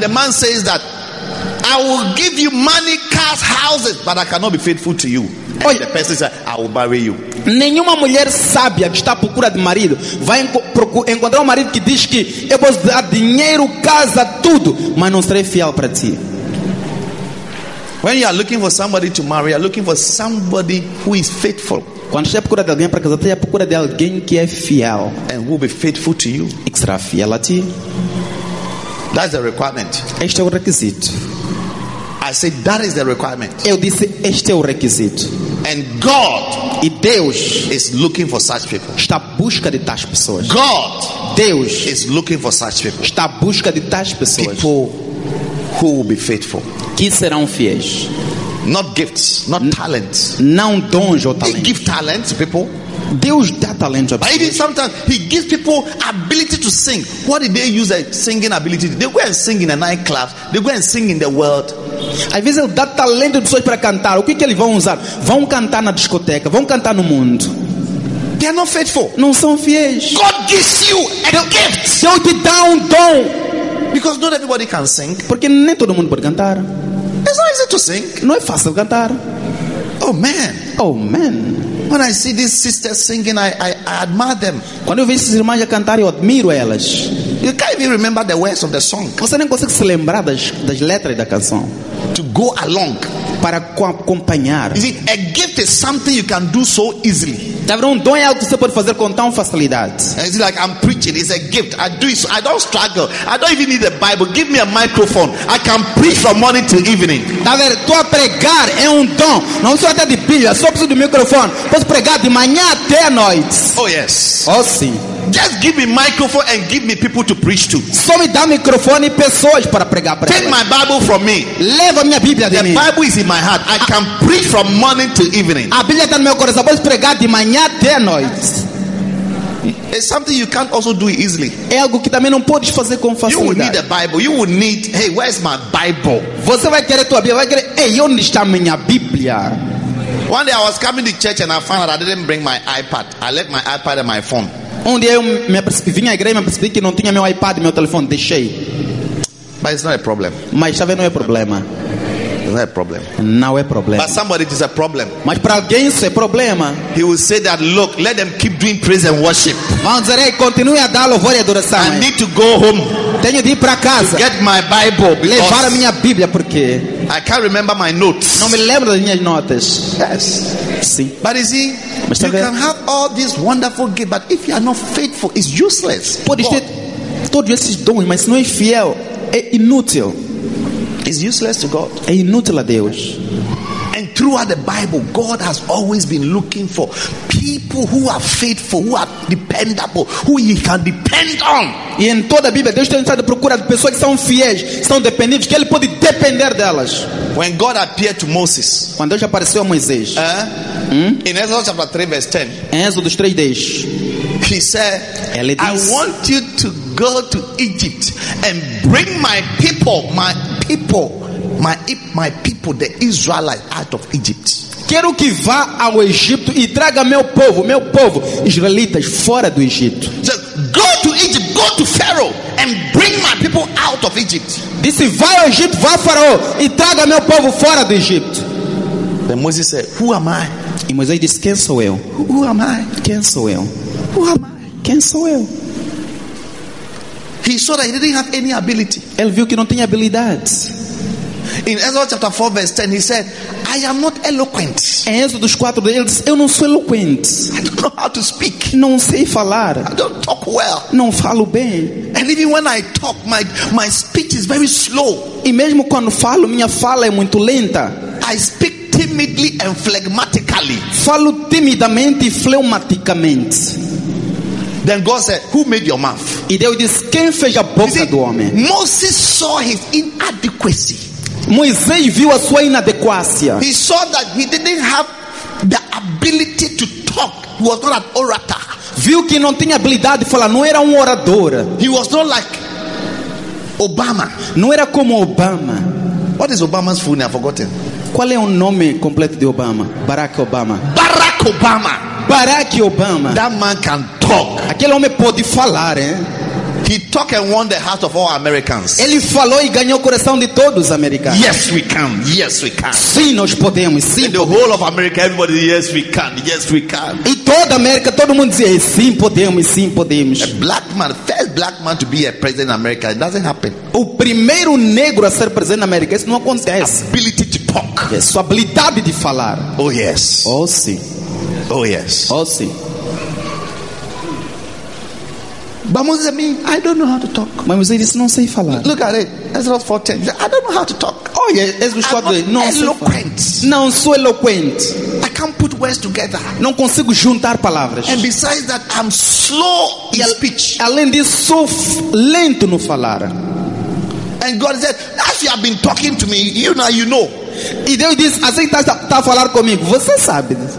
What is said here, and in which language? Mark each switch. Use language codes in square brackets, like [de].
[en] The man says that I will give you money, cars, houses, but I cannot be faithful to you. And the person says, I will marry you. [pt] Nenhuma mulher sábia que está à procura de marido vai encontrar marido que diz que eu posso dar dinheiro, casa, tudo, mas não serei fiel para ti. [en] When you are looking for somebody to marry, you are looking for somebody who is faithful. [pt] Quando você é procura de alguém para casar, você é procura de alguém que é fiel. [en] And will be faithful to you. [pt] E que será fiel a ti. [en] That's the requirement. [pt] Este é o requisito. [en] I said that is the requirement. [pt] Eu disse este é o requisito. [en] And God, [pt] e Deus, [en] is looking for such people. [pt] Está à busca de tais pessoas. [en] God, [pt] Deus, [en] is looking for such people. [pt] Está à busca de tais pessoas. [en] People who will be faithful. [pt] Que serão fiéis. [en] Not gifts, not talents. [pt] Não dons ou talentos. [en] He gives talents to people. [pt] Deus dá talento a pessoas. [en] But even sometimes he gives people ability to sing. What did they use a singing ability? They go and sing in a nightclub. They go and sing in the world. [pt] Às vezes ele dá talento a pessoas para cantar. O que que eles vão usar? Vão cantar na discoteca. Vão cantar no mundo. [en] They are not faithful. [pt] Não são fiéis. [en] God gives you a gift. [pt] Deus te dá dom. [en] Because not everybody can sing. [pt] Porque nem todo mundo pode cantar. [en] It's not easy to sing. [pt] Não é fácil cantar. [en] Oh man. Oh man. When I see these sisters singing, I admire them. [pt] Quando eu vejo essas irmãs a cantar, eu admiro elas. [en] You can't even remember the words of the song. [pt] Você nem consegue se lembrar das letras da canção. [en] To go along. [pt] Para acompanhar. [en] You see, a gift is something you can do so easily. [pt] Um dom é algo que você pode fazer com tão facilidade. [en] It's like I'm preaching. It's a gift. I do it. So I don't struggle. I don't even need a Bible. Give me a microphone. I can preach from morning to evening. [pt] Tá vendo? Tua pregar é dom. Não sou até de pilha. Só preciso do microfone. Posso pregar de manhã até à noite. [en] Oh yes. [pt] Oh sim. [en] Just give me microphone and give me people to preach to. [pt] Só me dá microfone e pessoas para pregar para. [en] Take my Bible from me. [pt] Leva minha Bíblia de mim. [en] The Bible is in my heart. I can preach from morning to evening. [pt] A Bíblia está no meu coração. Posso pregar de manhã até à noite. [en] It's something you can't also do easily. [pt] É algo que também não podes fazer com facilidade. [en] You will need a Bible. You will need. Hey, where's my Bible? [pt] Você vai querer tua Bíblia. Vai querer. Hey, onde está minha Bíblia? [en] One day I was coming to church and I found out I didn't bring my iPad. I left my iPad and my phone. [pt] Um dia eu me apercebi, vim à igreja e me apercebi que não tinha meu iPad e meu telefone, deixei. [en] But it's not a problem. [pt] Mas sabe, não é problema. [en] It's not a problem. [pt] Não é problema. [en] But somebody, it is a problem. [pt] Mas para alguém isso é problema. [en] He will say that, look, let them keep doing praise and worship. [pt] Vão dizer, hey, continue a dar louvor e adoração. [en] I need to go home. [pt] Tenho de ir para casa. [en] To get my Bible. [pt] Levar a minha Bíblia, porque [en] I can't remember my notes. [pt] Não me lembro das minhas notas. [en] Yes. [pt] Sim. [en] But you see, you can have all these wonderful gifts, but if you are not faithful, it's useless. [pt] Pode ter todos esses dons, mas se não é fiel, é inútil. [en] It's useless to God. [pt] É inútil a Deus. [en] And throughout the Bible, God has always been looking for people who are faithful, who are dependable, who He can depend on. [pt] E em toda a Bíblia, Deus tem estado procurando pessoas que são fiéis, que são dependentes, que Ele pode depender delas. [en] When God appeared to Moses, [pt] quando Deus apareceu a Moisés, [en] In Exodus chapter 3, verse 10, [pt] em Êxodo 3, 10, [en] He said, [pt] Ele diz, [en] I want you to go to Egypt and bring my people, the Israelites out of Egypt. [pt] quero que vá ao Egito e traga meu povo, israelitas, fora do Egito. [en] So, go to Egypt, go to Pharaoh and bring my people out of Egypt. [pt] Disse, vai ao Egito, vá ao Faraó e traga meu povo fora do Egito. [en] Then Moses said, who am I? [pt] E Moisés disse, quem sou eu? [en] Who am I? [pt] Quem sou eu? [en] Who am I? [pt] Quem sou eu? [en] He saw that he didn't have any ability. [pt] Ele viu que não tinha habilidades. [en] In Exodus chapter 4 verse 10 he said, I am not eloquent. [pt] Em Êxodo 4 ele disse, eu não sou eloquente. [en] I don't know how to speak. [pt] Não sei falar. [en] I don't talk well. [pt] Não falo bem. [en] And even when I talk, my speech is very slow. [pt] E mesmo quando falo, minha fala é muito lenta. [en] I speak timidly and phlegmatically. [pt] Falo timidamente e fleumaticamente. [en] Then God said, who made your mouth? [pt] E Deus disse, quem fez a boca do homem? [en] Moses saw his inadequacy. [pt] Moisés viu a sua inadequácia. [en] He saw that he didn't have the ability to talk. He was not an orator. [pt] Viu que não tinha habilidade de falar, não era um orador. [en] He was not like Obama. [pt] Não era como Obama. [en] What is Obama's full name? I've forgotten. [pt] Qual é o nome completo de Obama? Barack Obama. Barack Obama. Barack Obama. [en] That man can talk. [pt] Aquele homem pode falar, hein? [en] He talked and won the heart of all Americans. [pt] Ele falou e ganhou o coração de todos os americanos. [en] Yes, we can. Yes, we can. [pt] Sim, nós podemos. Sim, [en] the whole of America, everybody, yes, we can. Yes, we can. [pt] E toda a América, todo mundo dizia, sim, podemos. Sim, podemos. [en] A black man, first black man to be a president in America, it doesn't happen. [pt] O primeiro negro a ser presidente na América, isso não acontece. [en] His ability to talk. Yes, [pt] sua habilidade de falar. [en] Oh yes. [pt] Oh sim. [en] Oh yes. [pt] Oh sim. [en] But Moses said, I don't know how to talk. [pt] Mas Moisés disse, não sei falar. [en] Look at it. Exodus 4:10. I don't know how to talk. Oh yeah, Exodus 4:10. [pt] Não sei eloquent. Não sou eloquente. [en] I can't put words together. [pt] Não consigo juntar palavras. [en] And besides that, I'm slow in speech. [pt] Além disso, sou lento no falar. [en] And God said, as you have been talking to me, you know. [pt] E Deus disse, assim que está a falar comigo, você sabe.